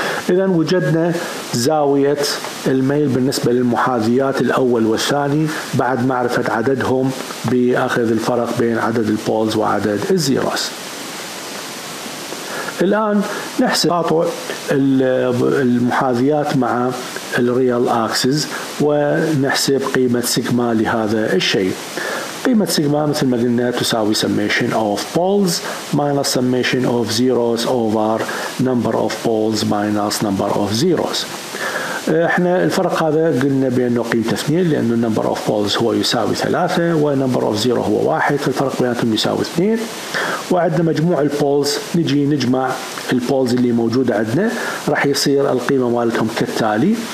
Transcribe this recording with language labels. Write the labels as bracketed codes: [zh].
[ar] إذا وجدنا زاوية الميل بالنسبة للمحاذيات الأول والثاني بعد معرفة عددهم بأخذ الفرق بين عدد البولز وعدد الزيروس. الآن نحسب تقاطع المحاذيات مع الريال أكسس ونحسب قيمة سيجما لهذا الشيء. قيمة سيجما مثل ما قلنا تساوي [en] summation of poles minus summation of zeros over number of poles minus number of zeros. [ar] احنا الفرق هذا قلنا بانه قيمته 2 لانه [en] number of poles [ar] هو يساوي 3 و [en] number of zero [ar] هو 1، فالفرق بيناتهم يساوي 2، وعندنا مجموع البولز نجي نجمع البولز اللي موجودة عندنا راح يصير القيمة مالتهم كالتالي.